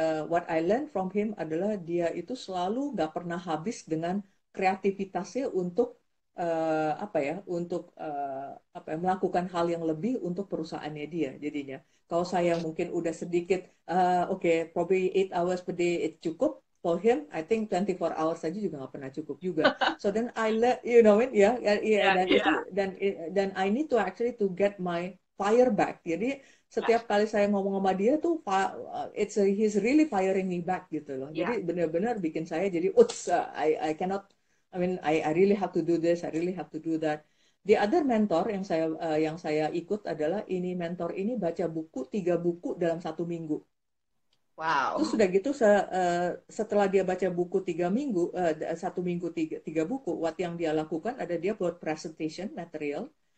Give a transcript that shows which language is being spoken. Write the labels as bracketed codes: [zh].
[en] What I learned from him [id] adalah dia itu selalu nggak pernah habis dengan kreativitasnya untuk apa ya, untuk apa ya, melakukan hal yang lebih untuk perusahaannya dia jadinya. Kalau saya mungkin udah sedikit okay, [en] probably 8 hours per day it [id] cukup. [en] For him, I think 24 hours [id] saja juga nggak pernah cukup juga. [en] So then I let you know it, ya, yeah, dan itu dan I need to actually to get my fire back. [id] Jadi setiap kali saya ngomong sama dia tuh, [en] he's really firing me back [id] gitu loh. Jadi benar-benar bikin saya jadi, [en] oops, I cannot, I mean, I really have to do this, I really have to do that. The other mentor [id] yang saya ikut adalah ini mentor ini baca buku 3 buku dalam 1 minggu. Wow. Terus sudah gitu setelah dia baca buku 3 minggu, 1 minggu 3 buku, what yang dia lakukan ada dia buat presentation material.